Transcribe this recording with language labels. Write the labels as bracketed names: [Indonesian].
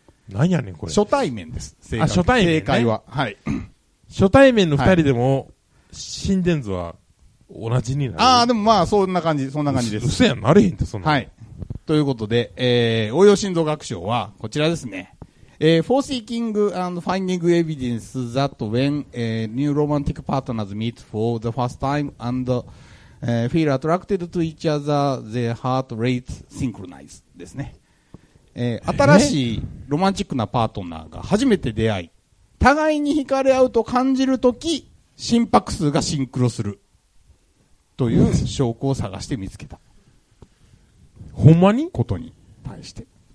[Japanese] 何やねん、これ。初対面です。正解。あ、初対面、ね。正解は。はい。初対面の二人でも、はい、心電図は同じになる。ああ、でもまあ、そんな感じです。嘘やん、なれへんって、そんな。はい。ということで、応用心臓学賞は、こちらですね。 [English] For seeking and finding evidence that when new romantic partners meet for the first time and feel attracted to each other, their heart rates synchronize [Japanese] ですね。新しいロマンチックなパートナーが初めて出会い、互いに惹かれ合うと感じるとき、心拍数がシンクロする。という証拠を探して見つけた。ほんまに？ことに対して。